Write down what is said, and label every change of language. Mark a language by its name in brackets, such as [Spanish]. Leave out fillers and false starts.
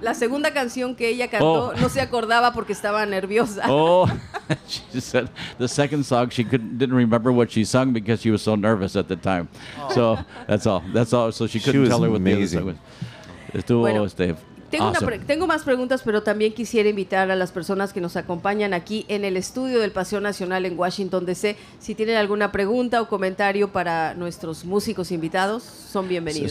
[Spanish] La segunda canción que ella cantó, no se acordaba porque estaba nerviosa. [English] She said the second song she didn't remember what she sung because she was so nervous at the time. So that's all. So she couldn't tell her what the other song was. [Spanish] Tengo más preguntas, pero también quisiera invitar a las personas que nos acompañan aquí en el estudio del Paseo Nacional en Washington D.C. Si tienen alguna pregunta o comentario para nuestros músicos invitados, son bienvenidos.